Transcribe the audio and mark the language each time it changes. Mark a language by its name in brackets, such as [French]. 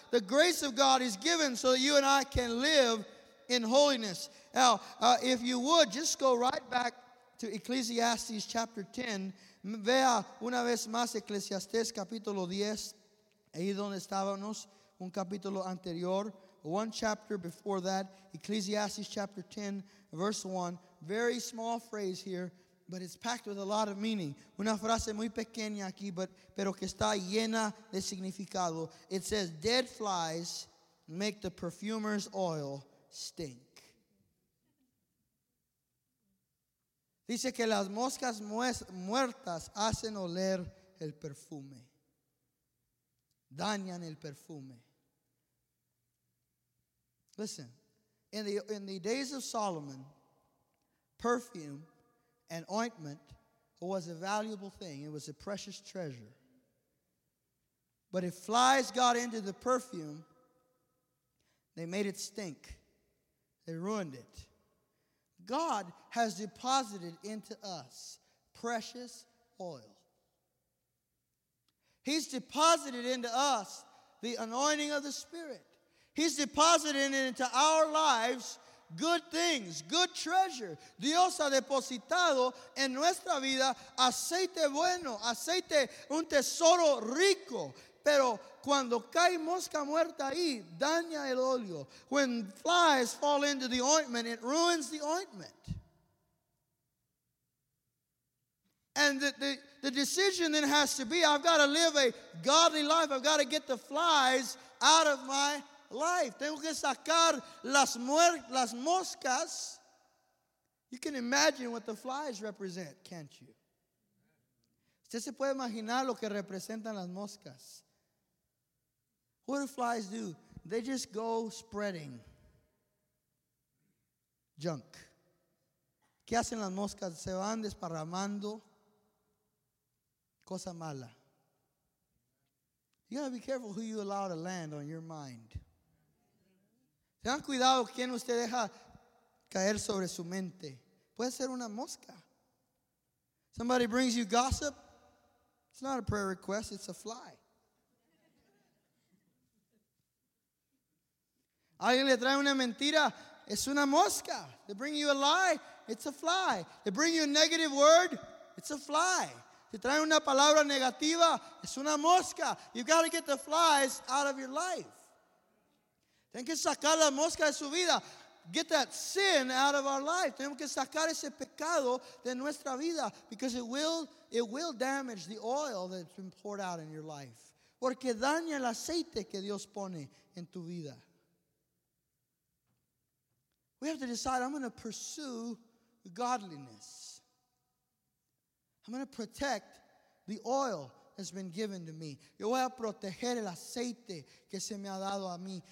[English] The grace of God is given so that you and I can live in holiness. Now, if you would, just go right back to Ecclesiastes chapter 10. [Spanish] Vea una vez más Ecclesiastes capítulo 10, ahí donde estábamos. Un capítulo anterior, [English] one chapter before that, Ecclesiastes chapter 10, verse 1. Very small phrase here, but it's packed with a lot of meaning. [Spanish] Una frase muy pequeña aquí, pero que está llena de significado. [English] It says, dead flies make the perfumer's oil stink. [Spanish] Dice que las moscas muertas hacen oler el perfume. Dañan el perfume. [English] Listen, in the days of Solomon, perfume and ointment was a valuable thing. It was a precious treasure. But if flies got into the perfume, they made it stink. They ruined it. God has deposited into us precious oil. He's deposited into us the anointing of the Spirit. He's depositing into our lives good things, good treasure. [Spanish] Dios ha depositado en nuestra vida aceite bueno, aceite, un tesoro rico. Pero cuando cae mosca muerta ahí, daña el óleo. [English] When flies fall into the ointment, it ruins the ointment. And the decision then has to be, I've got to live a godly life. I've got to get the flies out of my life. [Spanish] Tengo que sacar las moscas. [English] You can imagine what the flies represent, can't you? [Spanish] Usted se puede imaginar lo que representan las moscas. [English] What do flies do? They just go spreading junk. [Spanish] ¿Qué hacen las moscas? Se van desparramando cosa mala. [English] You gotta be careful who you allow to land on your mind. [Spanish] Tengan cuidado quien usted deja caer sobre su mente. Puede ser una mosca. [English] Somebody brings you gossip. It's not a prayer request, it's a fly. [Spanish] Alguien le trae una mentira. Es una mosca. [English] They bring you a lie. It's a fly. They bring you a negative word. It's a fly. [Spanish] Te traen una palabra negativa. Es una mosca. [English] You've got to get the flies out of your life. [Spanish] Tengo que sacar la mosca de su vida. [English] Get that sin out of our life. [Spanish] Tenemos que sacar ese pecado de nuestra vida. [English] Because it will damage the oil that's been poured out in your life. [Spanish] Porque daña el aceite que Dios pone en tu vida. [English] We have to decide, I'm going to pursue godliness. I'm going to protect the oil has been given to me. [Spanish] Yo voy a proteger el aceite que se me ha dado a mí.